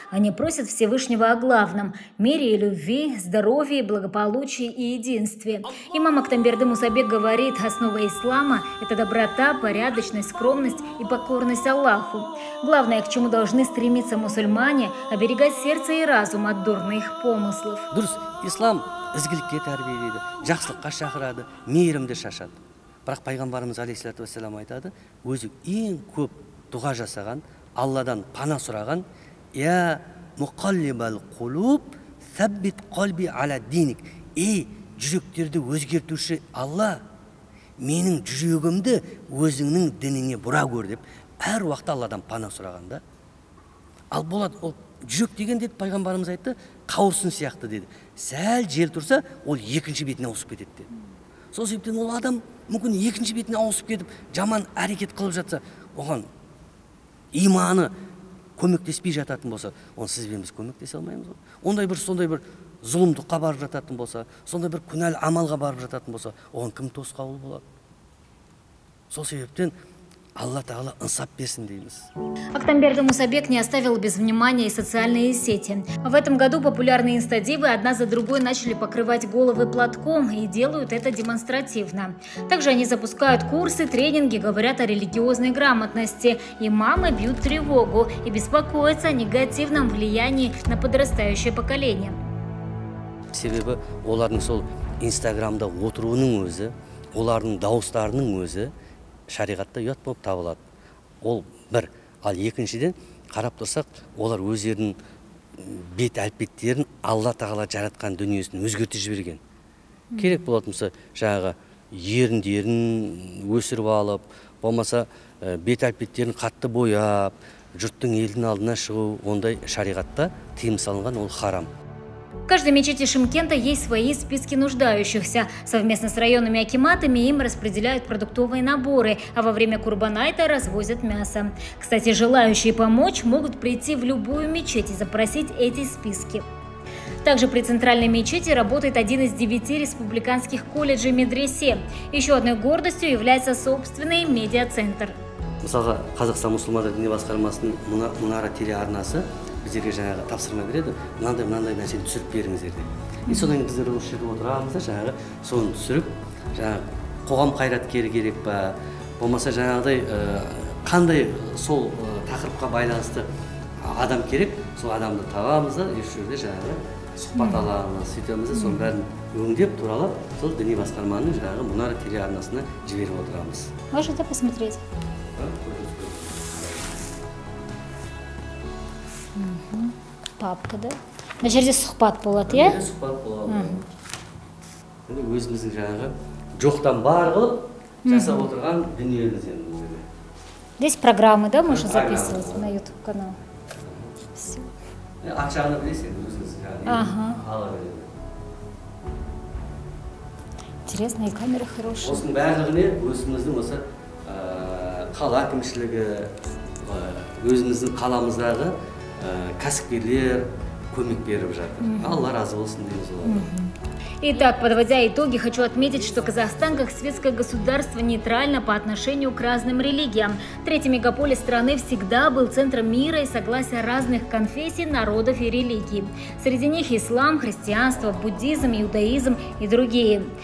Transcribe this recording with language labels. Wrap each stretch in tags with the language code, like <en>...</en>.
<ru>Они просят Всевышнего о главном – мире и любви, здоровье, благополучии и единстве. Имам Актамберды Мусабек говорит, основа ислама – это доброта, порядочность, скромность и покорность Аллаху. Главное, к чему должны стремиться мусульмане – оберегать сердце и разум от дурных помыслов.</ru> <kk>Дурс, ислам ізгілікке тәрбие етеді, жақсылыққа шақырады, мейірімді шашады. Бірақ пайғамбарымыз алейхиссалату уассалам айтады, өзі ең көп дұға жасаған, Алладан пана сұраған,</kk> <ar>«Я муқаллибал құлуб, саббит қалби аля диник».</ar> <kk>«Ей, жүректерді өзгертуші Алла, менің жүрегімді өзіңнің дініңе бұра көр» деп, әр уақытта Алладан пана сұрағанда. Ал болады, ол жүрек деген деп пайғамбарымыз айтты, қауырсын сияқты деді. Сәл жел тұрса, ол екінші бетіне ауысып кетеді. Сол себептен ол адам мүмкін екінші бетіне ауысып кетіп, жаман әрекет қылып жатса, оған иманы көмектеспей жататын болса, оны сіз бен біз көмектесе алмаймыз. Ондай бір, сондай бір зұлымдыққа барып жататын болса, сондай бір күнәлі амалға барып жататын болса, оған кім тосқауыл болады? Сол себептен Алла Тағала ынсап берсін дейміз.</kk> <ru>Актамберды Мусабек не оставил без внимания и социальные сети. В этом году популярные инстадивы одна за другой начали покрывать головы платком и делают это демонстративно. Также они запускают курсы, тренинги, говорят о религиозной грамотности. Имамы бьют тревогу и беспокоятся о негативном влиянии на подрастающее поколение.</ru> <kk>Себебі олардың сол инстаграмда отыруының өзі, олардың дауыстарының өзі шариғатта ұят болып табылады. Ол бір. Ал екіншіден қарап тұрсақ, олар өздерінің бет әлпеттерін Алла Тағала жаратқан дүниесін өзгертіп жіберген. Керек болатын болса, жаңағы еріндерін өсіріп алып, болмаса бет әлпеттерін қатты бояп, жұрттың елдің алдына шығу, ондай шариғатта тыйым салынған, ол харам.</kk> <ru>В каждой мечети Шымкента есть свои списки нуждающихся. Совместно с районными акиматами им распределяют продуктовые наборы, а во время Курбанайта развозят мясо. Кстати, желающие помочь могут прийти в любую мечеть и запросить эти списки. Также при центральной мечети работает один из 9 республиканских колледжей медресе. Еще одной гордостью является собственный медиа-центр.</ru> <kk>Мысалы, Казахстан мусульмандар діни басқармасының мұнара телеарнасы біздерге жаңағы тапсырма береді, мынандай мәселе түсіріп беріңіздер деп. И содан кейін біздер осы жерде отырамыз да, жаңағы соны түсіріп, жаңағы қоғам қайраткері керек па, болмаса жаңағыдай қандай сол тақырыпқа байланысты адам керек, сол адамды табамыз да, осы жерде жаңағы сұхбат аламыз, сөйтеміз, соның бәрін өңдеп, туралап, сол діни басқарманың жаңағы мұнара телеарнасына жіберіп отырамыз.</kk> <ru>Можете посмотреть. Папка, да?</ru> <kk>На жерде сұхбат болады, иә? Сұхбат болады. Енді өзіміздің жаңағы жоқтан бар қылып жасап отырған дүниеміз енді бұл жерде.</kk> <ru>Здесь программы, да, можно записывать на YouTube канал. Все.</ru> <kk>Ақшаны білесің өзіңіз жаңағы.</kk> <ru>Ага. Интересно, и камера хорошая.</ru> <kk>Осының барлығы өзіміздің осы қала әкімшілігі, өзіміздің қаламыздағы кәсіпкерлер көмек беріп жатыр. Алла разы болсын дейміз оларға.</kk> <ru>Итак, подводя итоги, хочу отметить, что Казахстан, как светское государство, нейтрально по отношению к разным религиям. Третий мегаполис страны всегда был центром мира и согласия разных конфессий, народов и религий. Среди них ислам, христианство, буддизм, иудаизм и другие.</ru>